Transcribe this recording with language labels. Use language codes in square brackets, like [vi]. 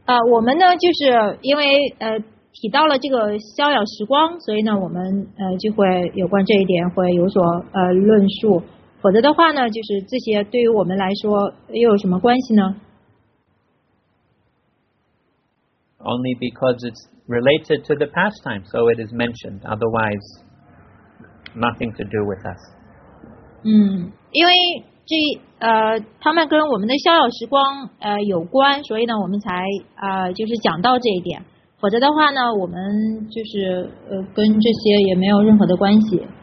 [zh] 我们呢就是因为提到了这个逍遥时光，所以呢我们就会有关这一点会有所论述，否则的话呢就是这些对于我们来说又有什么关系呢？ [en] Only because it's related to the pastime, so it is mentioned, otherwise nothing to do with us. [zh] 因为这他们跟我们的逍遥时光有关，所以呢我们才就是讲到这一点，否则的话呢我们就是跟这些也没有任何的关系。